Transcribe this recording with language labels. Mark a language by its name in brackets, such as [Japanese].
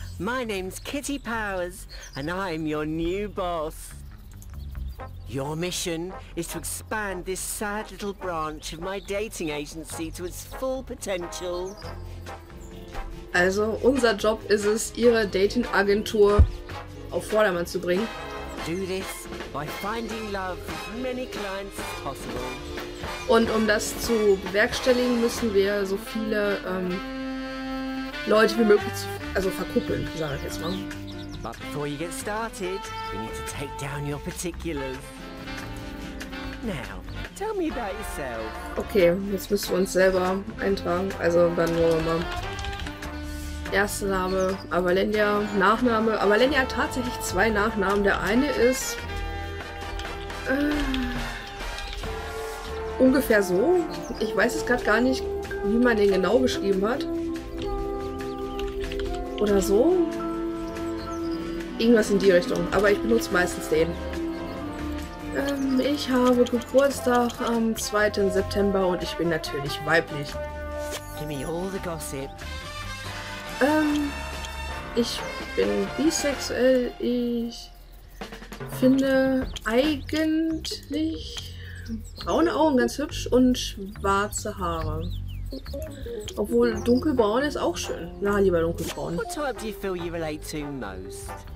[English] My name's Kitty Powers, and I'm your new boss. Your mission is to expand this sad little branch of my dating agency to its full potential. [German] Also, unser Job ist es, ihre Dating-Agentur auf Vordermann zu bringen. [English] Do this by finding love with many clients as possible. [German] Und um das zu bewerkstelligen, müssen wir so viele Leute wie möglich also verkuppeln, sage ich jetzt mal. [English] But before you get started, we need to take down your particulars. Now, tell me about yourself. [German] Okay, jetzt müssen wir uns selber eintragen. Also dann nur mal. Erster Name Avalenia, Nachname Avalenia, hat tatsächlich zwei Nachnamen. Der eine ist ungefähr so. Ich weiß es gerade gar nicht, wie man den genau geschrieben hat. Oder so. Irgendwas in die Richtung, aber ich benutze meistens den. Ich habe Geburtstag am 2. September und ich bin natürlich weiblich. [English] Give me all the gossip. [German] Ich bin bisexuell. Ich finde eigentlich braune Augen ganz hübsch und schwarze Haare. Obwohl dunkelbraun ist auch schön. Na, lieber dunkelbraun. [English] What type do you feel you relate to most?